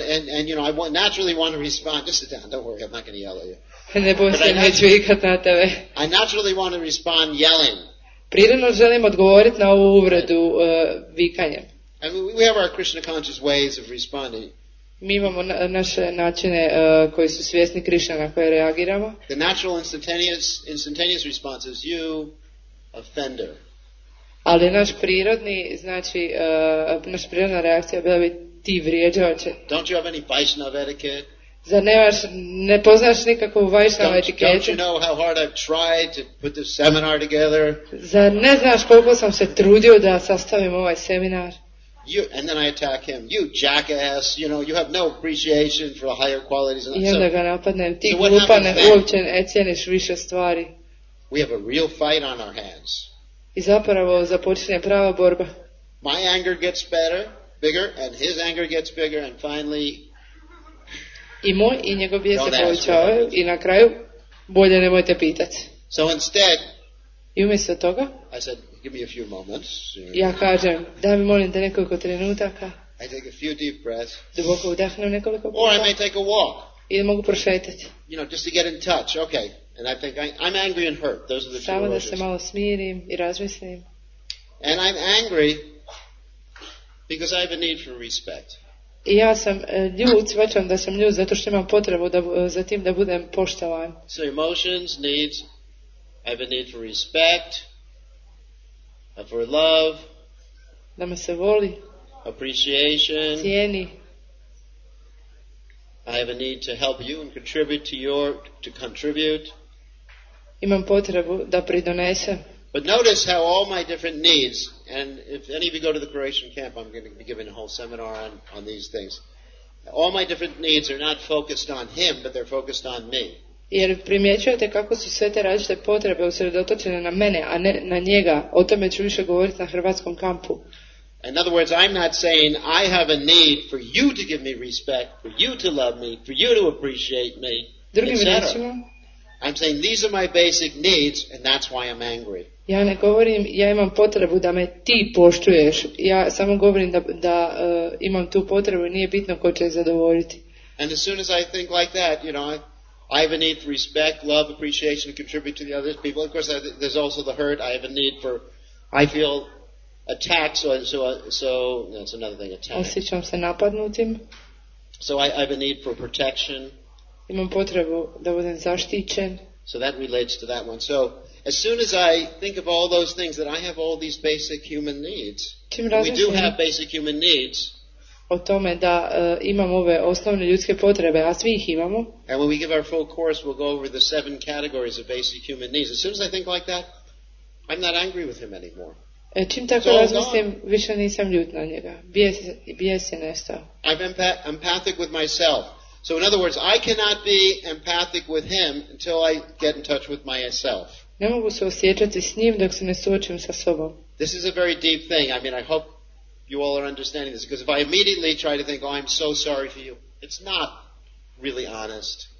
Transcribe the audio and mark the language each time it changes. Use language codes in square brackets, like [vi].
[en] And you know, I naturally want to respond. Just sit down. Don't worry. I'm not going to yell at you. [hr] Ne bojim se, neću ikad na tebe. [en] I naturally want to respond yelling. [hr] Prirodno želim odgovoriti na ovu uvredu vikanjem. [en] And we have our Krishna conscious ways of responding. [hr] Mi imamo naše načine koji su svjesni Krišna na koje reagiramo. [en] The natural instantaneous response is you offender. [hr] Ali naš prirodni, znači naš prirodna reakcija bila bi ti vrijeđače. [en] Don't you have any Vaishnava etiquette? [hr] Zar ne poznaš nikakvu Vaishnava etiketu? [en] Don't you know how hard I've tried to put this seminar together? [hr] Zar ne znaš koliko sam se trudio da sastavim ovaj seminar? [en] You, and then I attack him. You jackass, you know, you have no appreciation for higher qualities. [hr] I onda ga napadnem. Ti glupane, uopće ne cijeniš više stvari. [en] We have a real fight on our hands. [hr] I zapravo započinje prava borba. [en] My anger gets better, bigger, and his anger gets bigger, and finally... [hr] I moj i njegov bijes se povećava, i na kraju, bolje nemojte pitati. [en] So instead... [hr] I umjesto toga... [en] I said, give me a few moments. [hr] Ja kažem, daj mi molim te nekoliko trenutaka. [en] I take a few deep breaths. [hr] Duboko udahnem nekoliko puta. [en] Or I may take a walk. [hr] I mogu prošetati. [en] You know, just to get in touch, okay. And I think I'm angry and hurt. Those are the two emotions. [hr] Samo da se malo smirim i razmislim. [en] And I'm angry because I have a need for respect. [hr] I ja sam ljut, svačam da sam ljut zato što imam potrebu da, za tim da budem poštovan. [en] So emotions needs, I have a need for respect. For love, [hr] da me se voli, [en] appreciation, [hr] cijeni. [en] I have a need to help you and contribute to your to contribute. Imam potrebu da pridonesem. But notice how all my different needs, and if any of you go to the Croatian camp, I'm going to be giving a whole seminar on these things. All my different needs are not focused on him, but they're focused on me. [hr] Jer primjećujete kako su sve te različite potrebe usredotočene na mene, a ne na njega. O tome ću više govoriti na hrvatskom kampu. [en] In other words, I'm not saying I have a need for you to give me respect, for you to love me, for you to appreciate me, etc. I'm saying these are my basic needs and that's why I'm angry. [hr] Ja ne govorim, ja imam potrebu da me ti poštuješ. Ja samo govorim da imam tu potrebu i nije bitno ko će zadovoljiti. [en] And as soon as I think like that, you know, I have a need for respect, love, appreciation, to contribute to the other people. Of course, there's also the hurt. I have a need for, I feel attacked, so that's another thing, attacked. [hr] Osjećam se napadnutim. [en] So I have a need for protection. [hr] Imam potrebu da budem zaštićen. [en] So that relates to that one. So As soon as I think of all those things, that I have all these basic human needs, and we do have basic human needs, [hr] o tome da imam ove osnovne ljudske potrebe, a svi ih imamo. [en] And when we give our full course, we'll go over the 7 categories of basic human needs. As soon as I think like that, I'm not angry with him anymore. [hr] Čim tako razmislim, više nisam ljut na njega. Bijes je nestao. [en] I'm empathic with myself. So in other words, I cannot be empathic with him until I get in touch with myself. [hr] Ne mogu se osjećati s njim dok se ne suočim sa sobom. [en] This is a very deep thing. I mean, I hope you all are understanding this, because if I immediately try to think, oh, I'm so sorry for you, it's not really honest.